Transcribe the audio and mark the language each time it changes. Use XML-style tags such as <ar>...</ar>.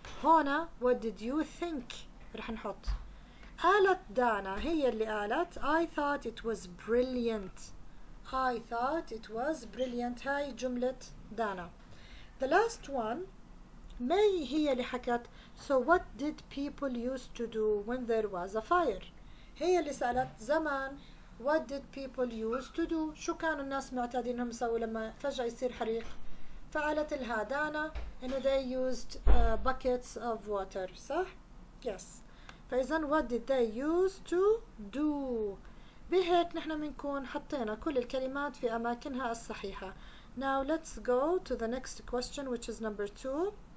<ar>هنا</ar> <en>what did you think</en> <ar>رح نحط. قالت دانا هي اللي قالت</ar> <en>I thought it was brilliant. I thought it was brilliant.</en> <ar>هاي جملة دانا.</ar> <en>The last one May</en> <ar>هي اللي حكت</ar> <en>so what did people used to do when there was a fire.</en> <ar>هي اللي سألت زمان</ar> <en>What did people used to do؟</en> <ar>شو كانوا الناس معتادين هم يسووا لما فجأة يصير حريق؟ فعلت لها دانا إنه</ar> <en>they used buckets of water،</en> <ar>صح؟</ar> <en>Yes.</en> <ar>فإذا</ar> <en>what did they used to do؟</en> <ar>بهيك نحن بنكون حطينا كل الكلمات في أماكنها الصحيحة.</ar> <en>Now let's go to the next question which is number 2.</en>